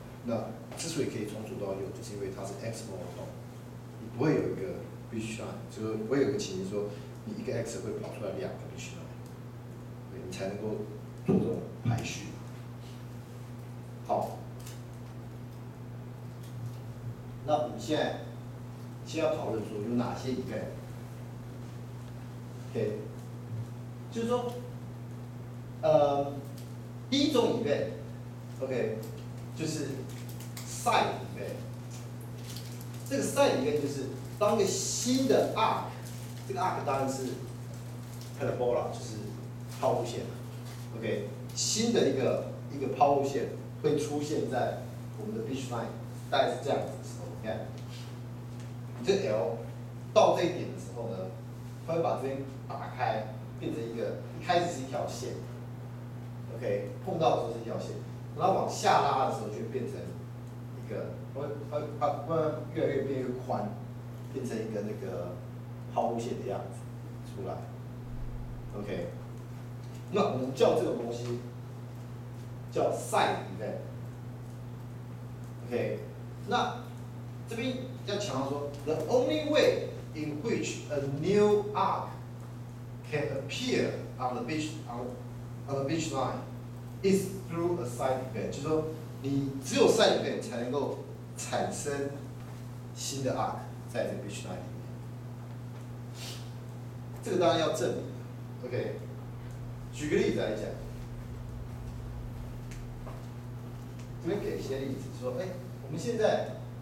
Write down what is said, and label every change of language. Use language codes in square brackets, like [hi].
[zh] 那之所以可以从左到右，就是因为它是 X mode， 你不会有一个 bitline， 就不会有一个情形说你一个 X 会跑出来两个 bitline， 你才能够做这种排序。好，那我们现在要讨论说有哪些 event。 OK， 就是说，第一种 event， OK， 就是 side event。这个 side event 就是当一个新的 arc， 这个 arc 当然是 parabola， 就是抛物线。 OK， 新的一个抛物线会出现在我们的 beach line， 大概是这样子的时候。你看，你这 L 到这一点的时候呢，它会把这边打开，变成一开始是一条线，OK， 碰到的时候是一条线，然后往下拉的时候就变成一个，它越来越变越宽，变成一个那个抛物线的样子出来 ，OK， 那我们叫这个东西叫 side event，OK， 那这边要强调说 [en] the only way。 In which a new arc can appear on the beach on the beach line is through a side event， [zh] 就是说你只有 side event 才能够产生新的 arc 在这个 beach line 里面。这个当然要证明。 OK， 举个例子来讲，这边给一些例子，说，我们现在。